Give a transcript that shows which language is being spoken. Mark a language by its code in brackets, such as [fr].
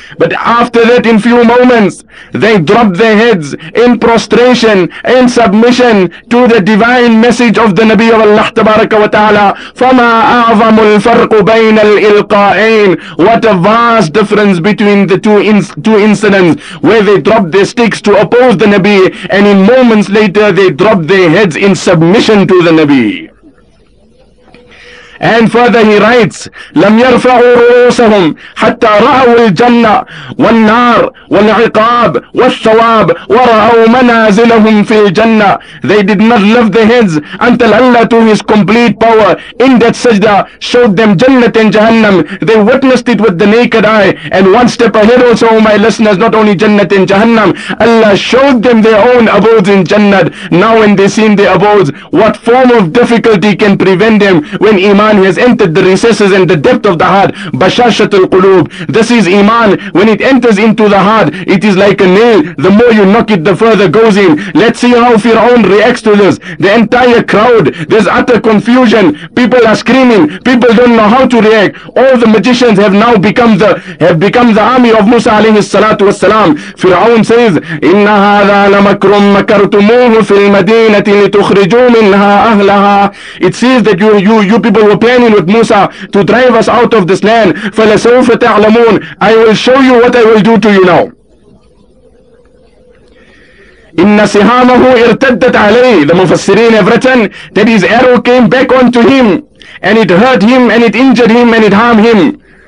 [en] But after that, in few moments, they dropped their heads in prostration, in submission to the divine message of the Nabi of Allah Tabaraka wa Ta'ala. [ar] فَمَا أَعْظَمُ الْفَرْقُ بَيْنَ الْإِلْقَائِينَ. [en] What a vast difference between the two incidents where they dropped their sticks to oppose the Nabi, and in moments later they dropped their heads in submission to the Nabi. And further he writes, [ar] لَمْ يَرْفَعُوا رُؤُوسَهُمْ حَتَّى رَأَوُوا الْجَنَّةِ وَالنَّارِ وَالْعِقَابِ وَالثَّوَابِ وَرَأَوْا مَنَازِلَهُمْ فِي الْجَنَّةِ. [en] They did not lift their heads until Allah, to his complete power, in that sajda showed them Jannat and Jahannam. They witnessed it with the naked eye. And one step ahead also, my listeners, not only Jannat and Jahannam, Allah showed them their own abodes in Jannat. Now when they seen their abodes, what form of difficulty can prevent them when Iman has entered the recesses and the depth of the heart. Bashashatul Qulub. This is Iman. When it enters into the heart, it is like a nail. The more you knock it, the further goes in. Let's see how Fir'aun reacts to this. The entire crowd, there's utter confusion. People are screaming. People don't know how to react. All the magicians have now become the army of Musa alayhi salatu wassalam. Fir'aun says, [ar] إِنَّ هَذَا لَمَكْرٌ مَكَرْتُمُوهُ فِي الْمَدِينَةِ لِتُخْرِجُوا مِنْهَا أَهْلَهَا. [en] It says that you people were planning with Musa to drive us out of this land. [ar] فَلَسَوْفَ تَعْلَمُونَ. [en] I will show you what I will do to you now. [ar] إِنَّ سِهَامَهُ إِرْتَدَّتْ عَلَيْهِ. [en] The Mufassirin have written that his arrow came back onto him and it hurt him and it injured him and it harmed him.